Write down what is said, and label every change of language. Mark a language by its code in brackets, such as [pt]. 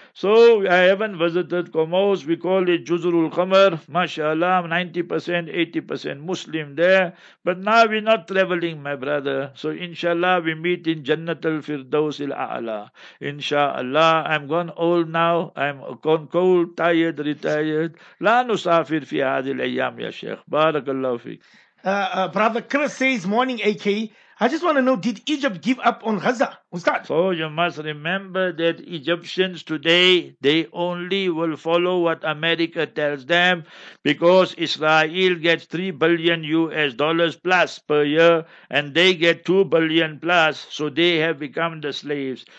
[en] So I haven't visited Comoros. We call it جذور القمر. Mashallah, 90%, 80% Muslim there. But now we're not traveling, my brother. So inshallah, we meet in Jannat al-Firdaus al-A'la. Inshallah, I'm gone old now. I'm gone cold, tired, retired. [ar] لا نسافر في هذه الأيام يا شيخ بارك الله فيك. [en] Brother Chris says, morning AK, I just want to know, did Egypt give up on Gaza? Ustaz? So you must remember that Egyptians today, they only will follow what America tells them, because Israel gets $3 billion plus per year and they get $2 billion plus, so they have become the slaves.